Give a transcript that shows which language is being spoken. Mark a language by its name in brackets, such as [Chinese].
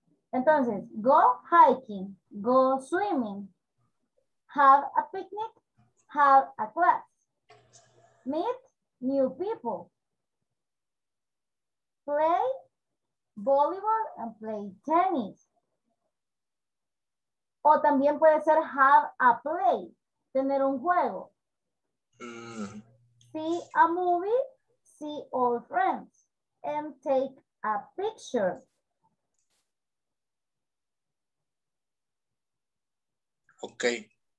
[English] Entonces, go hiking, go swimming, have a picnic, have a class, meet new people, play volleyball and play tennis. [Spanish] O también puede ser [English] have a play, [Spanish] tener un juego. [English] See a movie, see all friends, and take a picture. Okay.